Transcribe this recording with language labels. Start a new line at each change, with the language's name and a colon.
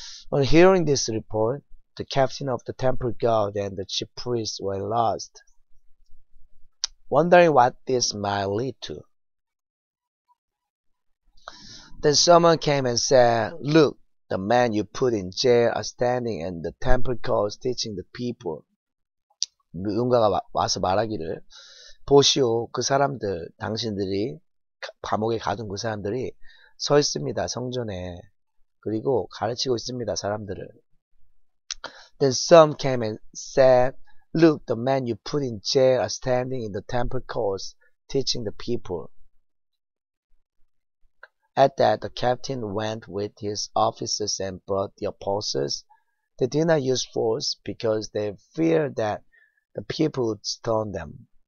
English: On hearing this report, the captain of the temple guard and the chief priests were lost, wondering what this might lead to. Then someone came and said, look, the man you put in jail are standing in the temple courts teaching the people.
Korean: 누군가가 와서 말하기를, 보시오, 그 사람들, 당신들이 감옥에 가둔 그 사람들이 서 있습니다, 성전에. 그리고 가르치고 있습니다, 사람들을.
English: Then some came and said, look, the man you put in jail are standing in the temple courts teaching the people. At that, the captain went with his officers and brought the apostles. They did not use force because they feared that the people would stone them.